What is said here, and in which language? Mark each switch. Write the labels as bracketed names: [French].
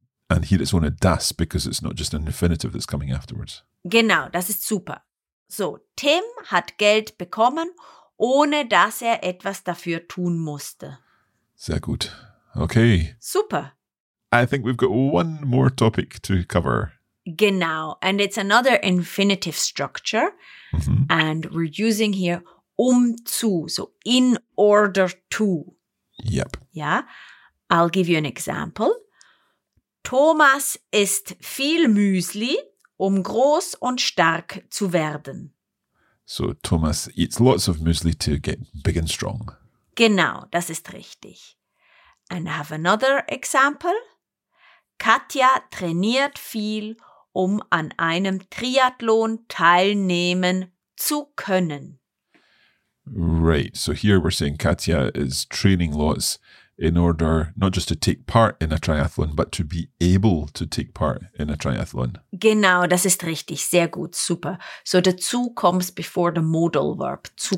[English] And here it's ohne das, because it's not just an infinitive that's coming afterwards. [German] Genau, das ist super. So, Tim hat Geld bekommen, ohne dass er etwas dafür tun musste. Sehr gut. Okay. Super. [English] I think we've got one more topic to cover. Genau. And it's another infinitive structure. Mm-hmm. And we're using here zu, so in order to. Yep. Yeah. I'll give you an example. [German] Thomas isst viel Müsli, groß und stark zu werden. [English] So Thomas eats lots of Müsli to get big and strong. [German] Genau, das ist richtig. [English] And I have another example. [German] Katja trainiert viel, an einem Triathlon teilnehmen zu können. [English] Right, so here we're saying Katja is training lots in order not just to take part in a triathlon, but to be able to take part in a triathlon. [German] Genau, das ist richtig. Sehr gut, super. [English] So the zu comes before the modal verb, zu